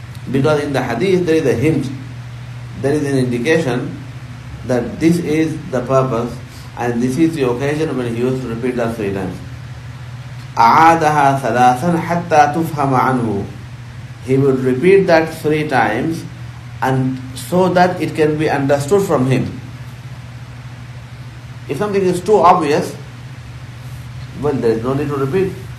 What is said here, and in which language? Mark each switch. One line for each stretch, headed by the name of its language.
English: Because in the hadith there is a hint, there is an indication that this is the purpose and this is the occasion when he used to repeat that three times.
Arabic: أَعَادَهَا ثَلَاثًا حَتَّى تُفْهَمَ عَنْهُ.
English: He will repeat that three times and so that it can be understood from him. If something is too obvious, well, there is no need to repeat.